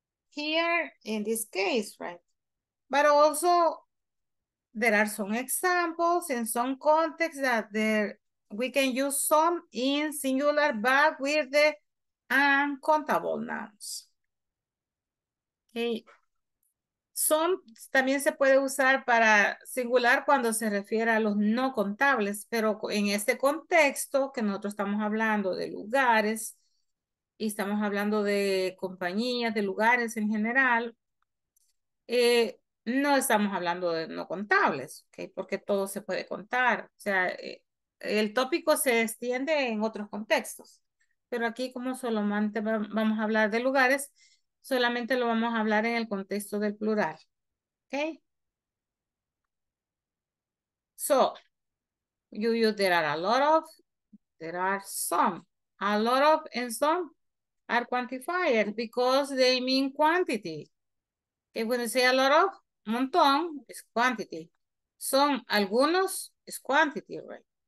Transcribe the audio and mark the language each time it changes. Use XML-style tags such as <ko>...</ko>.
<en>Here in this case, right? But also, there are some examples in some contexts that there we can use some in singular, but with the uncountable nouns. Okay.</en> <es>Some también se puede usar para singular cuando se refiere a los no contables, pero en este contexto que nosotros estamos hablando de lugares y estamos hablando de compañías, de lugares en general, no estamos hablando de no contables, okay, porque todo se puede contar. O sea, el tópico se extiende en otros contextos, pero aquí como solamente vamos a hablar de lugares, solamente lo vamos a hablar en el contexto del plural, okay?</es> <en>So, you there are a lot of, there are some. A lot of and some are quantifiers because they mean quantity. Okay, when you say a lot of, montón, is quantity. Some, algunos, is quantity, right?</en>